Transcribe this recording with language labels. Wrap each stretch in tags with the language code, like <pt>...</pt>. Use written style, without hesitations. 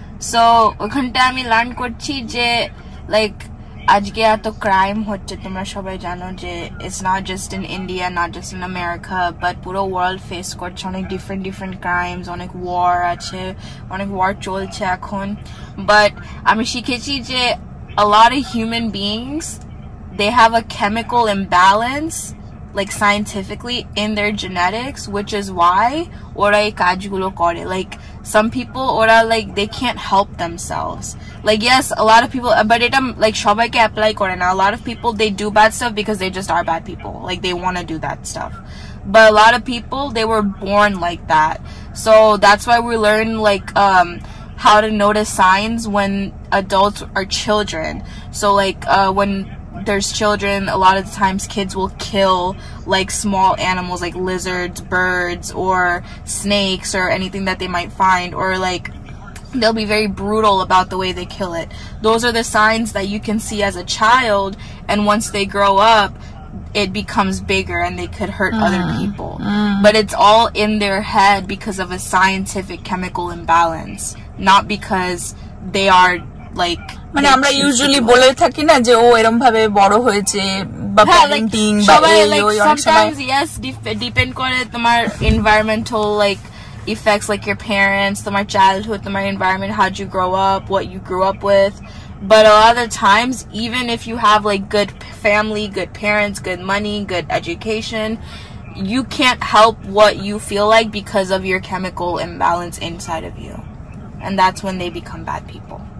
<bn>So ওখানটা আমি learn করছি যে লাইক আজকে এত ক্রাইম হচ্ছে, তোমরা সবাই জানো যে</bn> <en>it's not just in India, not just in America,</en> <bn>but পুরো ওয়ার্ল্ড ফেস করছে অনেক ডিফারেন্ট ডিফারেন্ট ক্রাইমস, অনেক ওয়ার আছে, অনেক ওয়ার চলছে এখন। বাট আমি শিখেছি যে</bn> <en>a lot of human beings, they have a chemical imbalance like scientifically in their genetics, which is why</en> <bn>ওরা এই কাজগুলো করে।</bn> <en>like some people</en> <bn>ora</bn> <en>like they can't help themselves, like yes a lot of people, but it like</en> <bn>shobai ke apply kore na,</bn> <en>a lot of people they do bad stuff because they just are bad people, like they want to do that stuff, but a lot of people they were born like that, so that's why we learn like how to notice signs when adults are children. So like when there's children, a lot of the times kids will kill like small animals like lizards, birds, or snakes, or anything that they might find, or like they'll be very brutal about the way they kill it. Those are the signs that you can see as a child, and once they grow up it becomes bigger and they could hurt other people. But it's all in their head because of a scientific chemical imbalance, not because they are like,</en> <bn>মানে আমরা usually বলে থাকি না যে ও এরকম ভাবে বড় হয়েছে বা প্যারেন্টিং বা সবাই লাইক ডিপেন্ড করে তোমার</bn> <en>Environmental like effects like your parents, your childhood, your environment, how'd you grow up, what you grew up with. But a lot of the times, even if you have like good family, good parents, good money, good education, you can't help what you feel like because of your chemical imbalance inside of you, and that's when they become bad people.</en>